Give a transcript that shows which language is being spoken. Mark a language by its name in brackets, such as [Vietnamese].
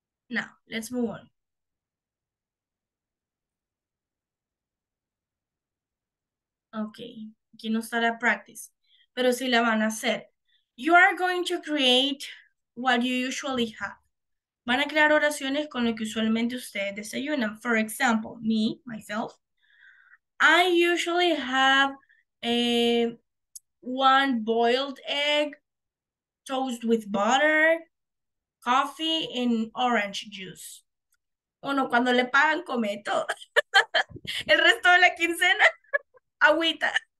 [English] Now, let's move on. [Spanish] Okay. Aquí no está la practice. Pero sí la van a hacer. [English] You are going to create what you usually have. [Spanish] Van a crear oraciones con lo que usualmente ustedes desayunan. [English] For example, me, myself, I usually have one boiled egg, toast with butter, coffee, and orange juice. [Spanish] Bueno, cuando le pagan, come todo. El resto de la quincena, agüita.